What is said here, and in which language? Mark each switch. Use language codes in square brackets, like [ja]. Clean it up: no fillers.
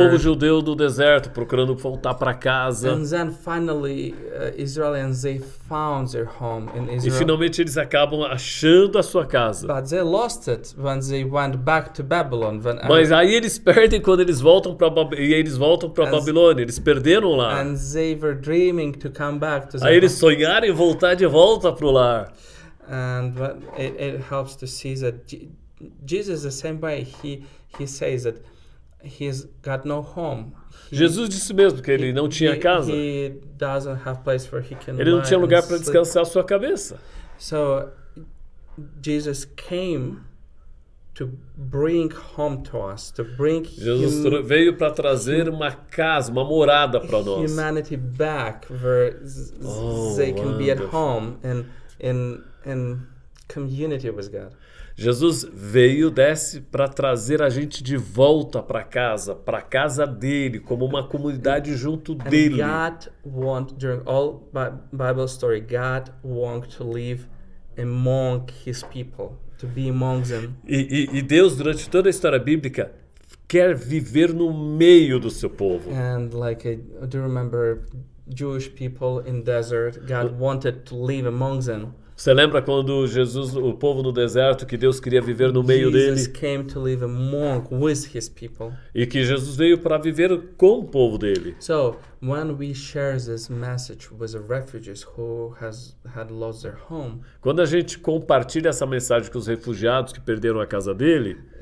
[pt] O povo judeu do deserto procurando voltar para casa. [en] And then finally Israelites they found their home in Israel. [pt] E finalmente eles acabam achando a sua casa. [en] But they lost it when they went back to Babylon. [pt] Mas aí eles perdem quando eles voltam para Babilônia. Eles perderam lá. [en] And they were dreaming to come back to. [pt] Aí eles sonharam em voltar de volta pro lar. [en] And it helps to see that Jesus the same way he says that he's got no home. [pt] Jesus disse mesmo que ele não tinha casa. [en] He doesn't have place where he can. [pt] Ele não tinha lugar para descansar a sua cabeça. [en] So Jesus came to bring home to us, to bring [pt] Jesus veio para trazer uma casa, uma morada para nós. [en] Humanity back where they can be at home and in community with God. [pt] Jesus veio, desce para trazer a gente de volta para casa dele, como uma comunidade junto dele. [en] God want during all Bible story, God want to live among his people, to be among them. [pt] E Deus durante toda a história bíblica quer viver no meio do seu povo. [en] And like I do remember Jewish people in desert, God wanted to live among them. [pt] Você lembra quando Jesus, o povo no deserto, que Deus queria viver no meio dele? [en] Jesus came to live among with his people. [pt] E que Jesus veio para viver com o povo dele. [en] So, when we share this message with the refugees who has had lost their home. [pt] Quando a gente compartilha essa mensagem com os refugiados que perderam a casa dele.